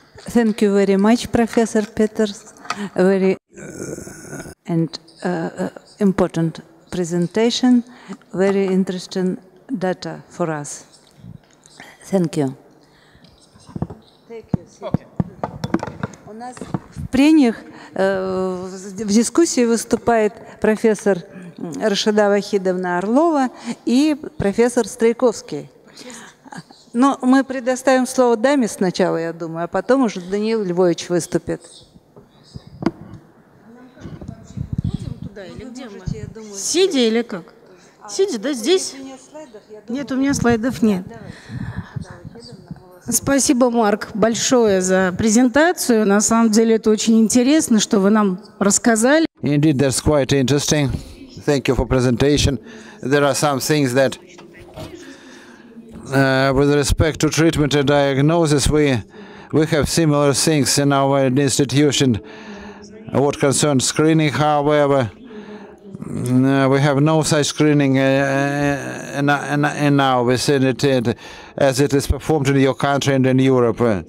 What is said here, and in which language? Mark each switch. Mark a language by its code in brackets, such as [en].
[en] Thank you very much, Professor Peeters. Very and important presentation, very interesting data for us. Thank you. Thank you. [ru] У нас в прениях в дискуссии выступает профессор Рашида Вахидовна Орлова и профессор Стрейковский. Но мы предоставим слово даме сначала, я думаю, а потом уже Даниил Львович выступит. Сидя или как? Сидя, да, здесь? Нет, у меня слайдов нет. Спасибо, Марк, большое за презентацию. На самом деле это очень интересно, что вы нам рассказали. [en] Indeed, that's quite interesting. Thank you for presentation. There are some things that with respect to treatment and diagnosis, we have similar things in our institution. What concerns screening, however, we have no such screening in our vicinity as it is performed in your country and in Europe.